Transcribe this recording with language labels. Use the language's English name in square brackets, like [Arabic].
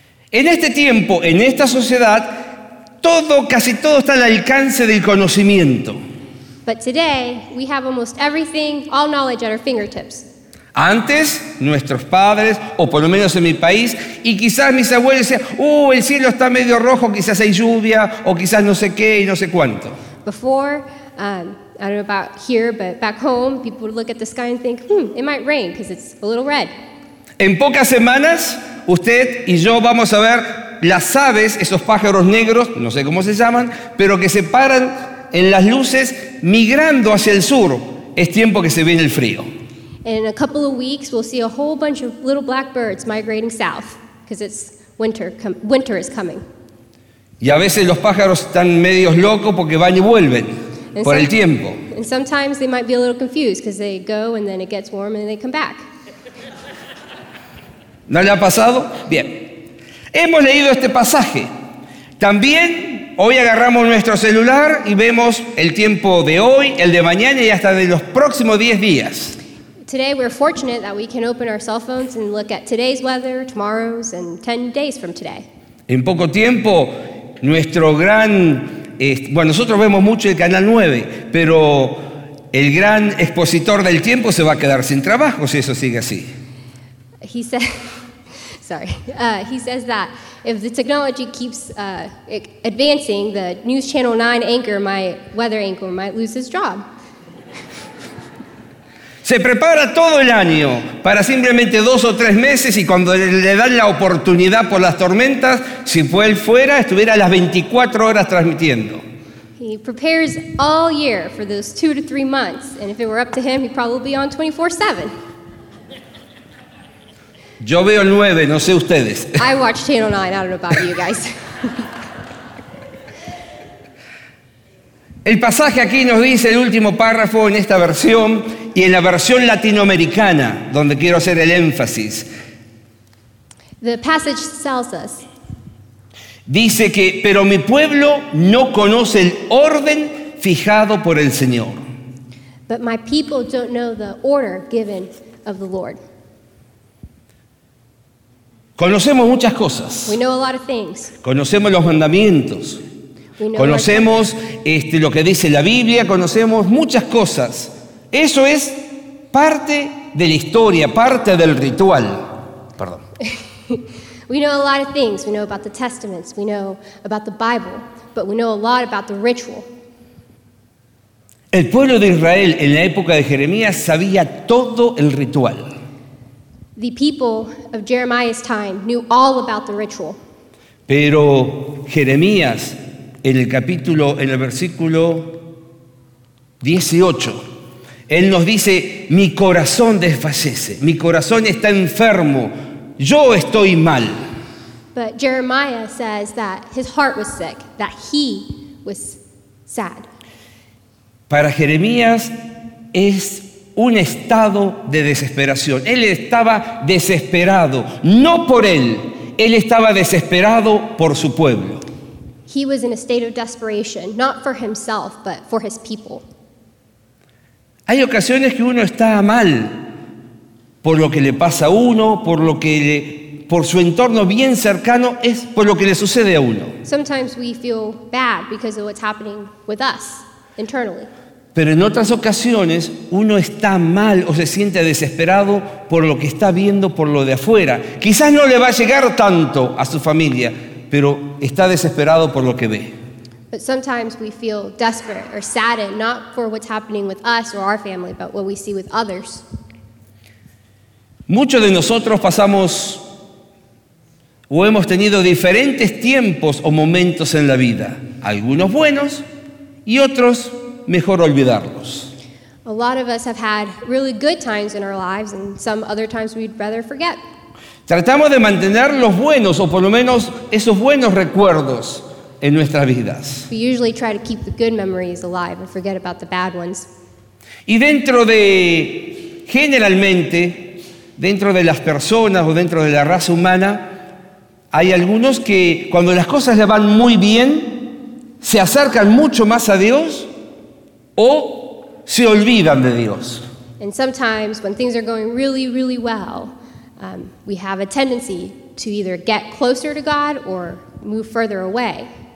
[Spanish] En este tiempo, en esta sociedad, casi todo está al alcance del conocimiento. [English] But today, we have almost everything, all knowledge at our fingertips. [Spanish] Antes, nuestros padres, o por lo menos en mi país, y quizás mis abuelos decían, el cielo está medio rojo, quizás hay lluvia, o quizás no sé qué y no sé cuánto. [English] Before, I don't know about here, but back home, people would look at the sky and think, it might rain, because it's a little red. [Spanish] En pocas semanas, usted y yo vamos a ver las aves, esos pájaros negros, no sé cómo se llaman, pero que se paran en las luces migrando hacia el sur. Es tiempo que se viene el frío. [English] In a couple of weeks, we'll see a whole bunch of little black birds migrating south because it's winter. Winter is coming. [Spanish] Y a veces los pájaros están medios locos porque van y vuelven por el tiempo. [English] And sometimes they might be a little confused because they go and then it gets warm and then they come back. [Spanish] ¿No le ha pasado? Bien. Hemos leído este pasaje. También hoy agarramos nuestro celular y vemos el tiempo de hoy, el de mañana y hasta de los próximos 10 días. [English] Today we're fortunate that we can open our cell phones and look at today's weather, tomorrow's, and 10 days from today. [Spanish] En poco tiempo, nosotros vemos mucho el Canal 9, pero el gran expositor del tiempo se va a quedar sin trabajo si eso sigue así. [English] He says that if the technology keeps advancing, the News Channel 9 anchor, my weather anchor, might lose his job. [Spanish] Se prepara todo el año para simplemente 2 o 3 meses y cuando le dan la oportunidad por las tormentas, si fue él fuera, estuviera las 24 horas transmitiendo. [English] He prepares all year for those 2 to 3 months, and if it were up to him, he'd probably be on 24/7. [Spanish] Yo veo nueve, no sé ustedes. [English] I watch Channel 9, I don't know about you guys. [Spanish] El pasaje aquí nos dice el último párrafo en esta versión y en la versión latinoamericana, donde quiero hacer el énfasis. [English] The passage tells us. [Spanish] Dice que, pero mi pueblo no conoce el orden fijado por el Señor. [English] But my people don't know the order given of the Lord. [Spanish] Conocemos muchas cosas. [English] We know a lot of things. [Spanish] Conocemos los mandamientos. Conocemos lo que dice la Biblia, conocemos muchas cosas. Eso es parte de la historia, parte del ritual. Perdón. [English] We know a lot of things. We know about the testaments. We know about the Bible. But we know a lot about the ritual. [Spanish] El pueblo de Israel en la época de Jeremías sabía todo el ritual. [English] The people of Jeremiah's time knew all about the ritual. [Spanish] Pero Jeremías, en el capítulo, en el versículo 18, él nos dice, mi corazón desfallece, mi corazón está enfermo, yo estoy mal. [English] But Jeremiah says that his heart was sick, that he was sad. [Spanish] Para Jeremías es un estado de desesperación. Él estaba desesperado, no por él estaba desesperado por su pueblo. [English] He was in a state of desperation, not for himself, but for his people. [Spanish] Hay ocasiones que uno está mal por lo que le pasa a uno, por su entorno bien cercano, es por lo que le sucede a uno. [English] Sometimes we feel bad because of what's happening with us internally. [Spanish] Pero en otras ocasiones uno está mal o se siente desesperado por lo que está viendo por lo de afuera. Quizás no le va a llegar tanto a su familia, pero está desesperado por lo que ve. [English] But sometimes we feel desperate or saddened, not for what's happening with us or our family, but what we see with others. [Spanish] Muchos de nosotros pasamos o hemos tenido diferentes tiempos o momentos en la vida, algunos buenos y otros mejor olvidarlos. [English] A lot of us have had really good times in our lives and some other times we'd rather forget. [Spanish] Tratamos de mantener los buenos, o por lo menos esos buenos recuerdos, en nuestras vidas. [English] We usually try to keep the good memories alive and forget about the bad ones. [Spanish] Y dentro de, generalmente, dentro de las personas o dentro de la raza humana, hay algunos que cuando las cosas le van muy bien, se acercan mucho más a Dios o se olvidan de Dios. [English] And sometimes when things are going really, really well, we have a tendency to either get closer to God or move further away.